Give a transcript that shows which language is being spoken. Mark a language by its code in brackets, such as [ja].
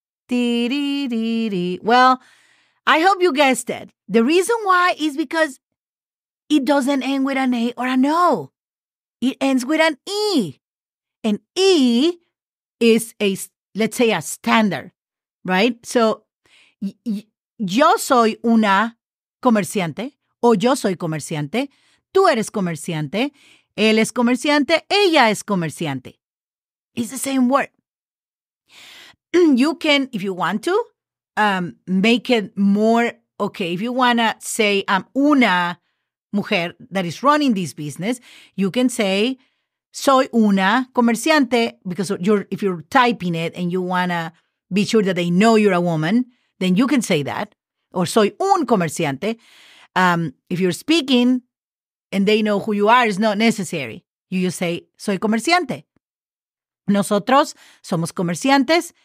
[en] Well, I hope you guessed it. The reason why is because it doesn't end with an A or an O. It ends with an E. And E is a standard, right? [es] So, yo soy una comerciante, o yo soy comerciante, tú eres comerciante, él es comerciante, ella es comerciante. [en] It's the same word. You can, if you want to, make it more, okay, if you want to say I'm [es] una mujer [en] that is running this business, you can say [es] soy una comerciante, [en] because if you're typing it and you want to be sure that they know you're a woman, then you can say that. Or [es] soy un comerciante. [en] If you're speaking and they know who you are, it's not necessary. You just say, [es] soy comerciante. Nosotros somos comerciantes.